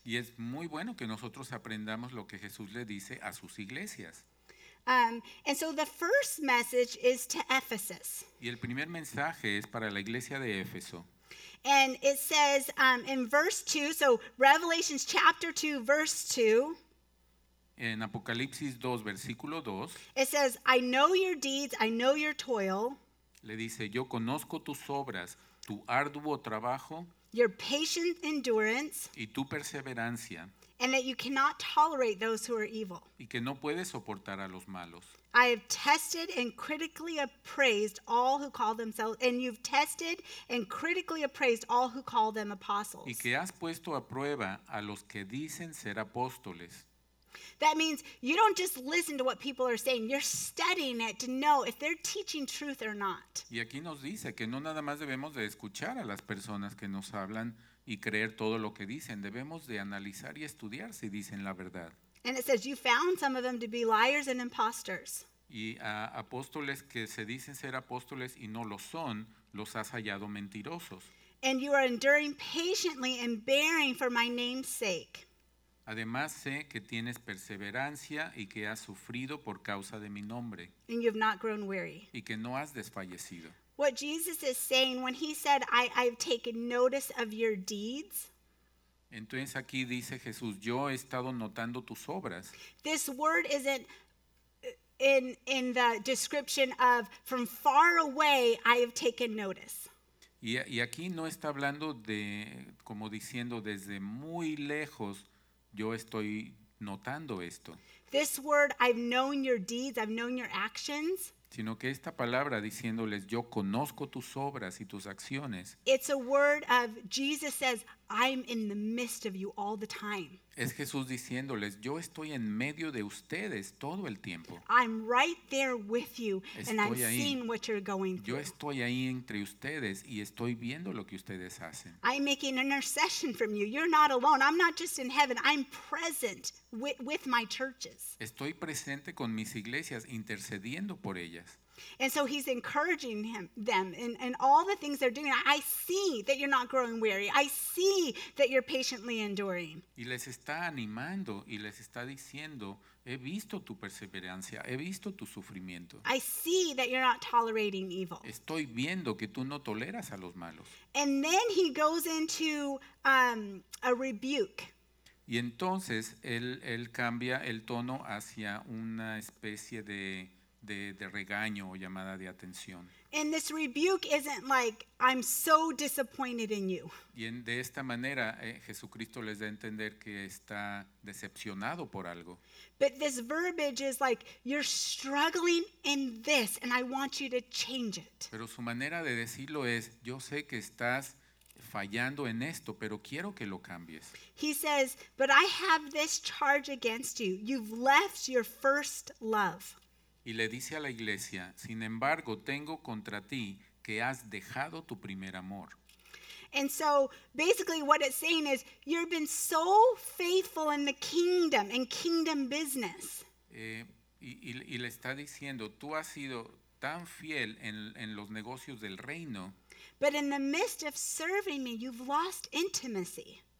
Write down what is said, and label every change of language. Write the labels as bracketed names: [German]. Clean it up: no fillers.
[Spanish] Y es muy bueno que nosotros aprendamos lo que Jesús le dice a sus iglesias. [English] And so the first message is to Ephesus. [Spanish] Y el primer mensaje es para la iglesia de Éfeso. [English] And it says in verse 2, so Revelation chapter 2, verse 2. [Spanish] En Apocalipsis 2, versículo 2. [English] It says, I know your deeds, I know your toil. [Spanish] Le dice, yo conozco tus obras, tu arduo trabajo, [English] your patient endurance, [Spanish] y tu perseverancia, [English] and that you cannot tolerate those who are evil. [Spanish] Y que no puedes soportar a los malos. [English] I have tested and critically appraised all who call themselves, and you've tested and critically appraised all who call them apostles. [Spanish] Y que has puesto a prueba a los que dicen ser apóstoles. [English] That means you don't just listen to what people are saying. You're studying it to know if they're teaching truth or not. [Spanish] Y aquí nos dice que no nada más debemos de escuchar a las personas que nos hablan y creer todo lo que dicen. Debemos de analizar y estudiar si dicen la verdad. [English] And it says you found some of them to be liars and imposters. [Spanish] Y a apóstoles que se dicen ser apóstoles y no lo son, los has hallado mentirosos. [English] And you are enduring patiently and bearing for my name's sake. [Spanish] Además sé que tienes perseverancia y que has sufrido por causa de mi nombre. [English] And you have not grown weary. [Spanish] Y que no has desfallecido. [English] What Jesus is saying when he said, I've taken notice of your deeds. [Spanish] Entonces aquí dice Jesús, yo he estado notando tus obras. [English] This word isn't in the description of from far away, I have taken notice. [Spanish] Y aquí no está hablando de, como diciendo, desde muy lejos. Yo estoy notando esto. [English] This word, I've known your deeds, I've known your actions. [Spanish] Sino que esta palabra diciéndoles, yo conozco tus obras y tus acciones. [English] It's a word of Jesus says, I'm in the midst of you all the time. [Spanish] Es Jesús diciéndoles, yo estoy en medio de ustedes todo el tiempo. [English] I'm right there with you and I'm seeing what you're going through. [Spanish] Yo estoy ahí entre ustedes y estoy viendo lo que ustedes hacen. [English] I'm making intercession from you. You're not alone. I'm not just in heaven. I'm present with my churches. [Spanish] Estoy presente con mis iglesias intercediendo por ellas. [English] And so he's encouraging them in all the things they're doing. I see that you're not growing weary. I see that you're patiently enduring. [Spanish] Y les está animando y les está diciendo, he visto tu perseverancia, he visto tu sufrimiento. [English] I see that you're not tolerating evil. [Spanish] Estoy viendo que tú no toleras a los malos. [English] And then he goes into a rebuke. [Spanish] Y entonces él cambia el tono hacia una especie de de regaño o llamada de atención. [English] And this rebuke isn't like, I'm so disappointed in you. [Spanish] Y en, de esta manera, Jesucristo les da a entender que está decepcionado por algo. [English] But this verbiage is like, you're struggling in this and I want you to change it. [Spanish] Pero su manera de decirlo es, yo sé que estás fallando en esto, pero quiero que lo cambies. [English] He says, but I have this charge against you. You've left your first love. [Spanish] Y le dice a la iglesia, sin embargo, tengo contra ti que has dejado tu primer amor. [English] And so basically what it's saying is you've been so faithful in the kingdom and kingdom business. [Spanish] Y le está diciendo, tú has sido tan fiel en los negocios del reino. [English] But in the midst of serving me, you've lost intimacy.